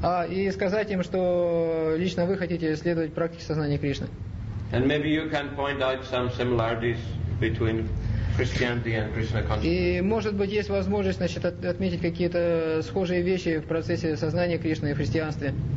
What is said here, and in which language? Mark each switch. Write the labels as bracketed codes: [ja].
[ru] И сказать им, что лично вы хотите следовать практике сознания Кришны. [en] And maybe you can point out some similarities between Christianity and Krishna consciousness. [ru] И может быть есть возможность, значит, отметить какие-то схожие вещи в процессе сознания Кришны и христианстве.